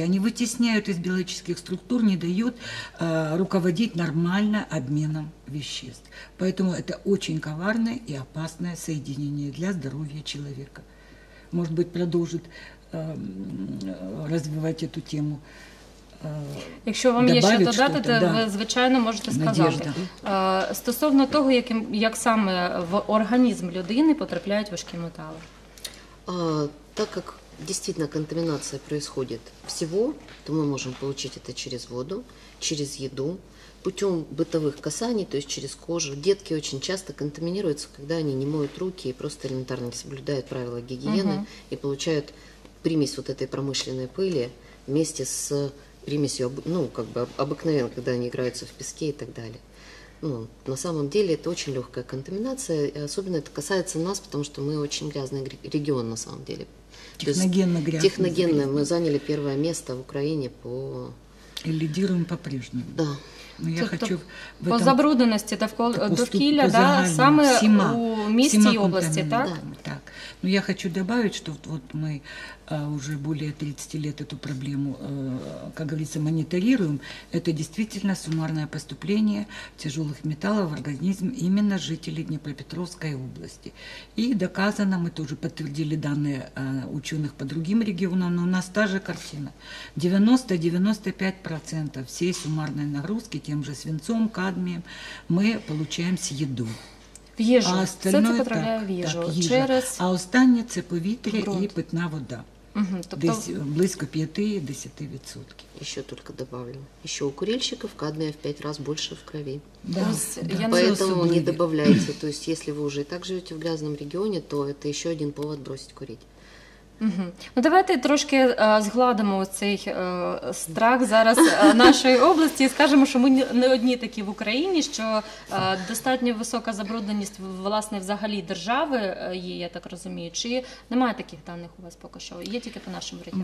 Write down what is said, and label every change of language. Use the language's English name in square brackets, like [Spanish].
[Russian] Они вытесняют из биологических структур, не дают руководить нормально обменом веществ. Поэтому это очень коварное и опасное соединение для здоровья человека. Может быть, продолжит развивать эту тему [Ukrainian] Якщо вам є що додати, то да, ви, звичайно, можете сказати. Стосовно того, як саме в організм людини потрапляють важкі метали. [Russian] Так как действительно контаминация происходит всего, то мы можем получить это через воду, через еду, путем бытовых касаний, то есть через кожу. Детки очень часто контаминируются, когда они не моют руки и просто элементарно не соблюдают правила гигиены, угу, и получают примесь вот этой промышленной пыли вместе с примесью, ну, как бы обыкновенно, когда они играются в песке и так далее. Ну, на самом деле это очень легкая контаминация, и особенно это касается нас, потому что мы очень грязный регион на самом деле. Техногенно грязный. Техногенно. Мы заняли первое место в Украине по... И лидируем по-прежнему. Да. Но я хочу в этом... [Ukrainian] По забрудненности довкілля, да, самое у місті і області, так? [Russian] Да. Так. Но я хочу добавить, что вот мы уже более 30 лет эту проблему, как говорится, мониторируем. Это действительно суммарное поступление тяжелых металлов в организм именно жителей Днепропетровской области. И доказано, мы тоже подтвердили данные ученых по другим регионам, но у нас та же картина. 90-95% всей суммарной нагрузки тем же свинцом, кадмием мы получаем с еду. [Ukrainian] В їжу. [Russian] А остальное, [Ukrainian] це потрапляє так, в їжу. Так, їжа. Через... А останнє – це повітря грунт і питна вода. Угу, тобто... Десь близько 5-10%. Ще тільки добавлю. Ще [Russian] у курильщиков [Ukrainian] кадмія в 5 разів більше в крові. [Russian] Да, да. Поэтому не добавляйте. То есть, если вы уже и так живете в грязном регионе, то это еще один повод бросить курить. [Ukrainian] Ну, давайте трошки згладимо цей страх зараз нашої області і скажемо, що ми не одні такі в Україні, що достатньо висока забрудненість, власне, взагалі держави є, я так розумію. Чи немає таких даних у вас поки що? Є тільки по нашому регіону?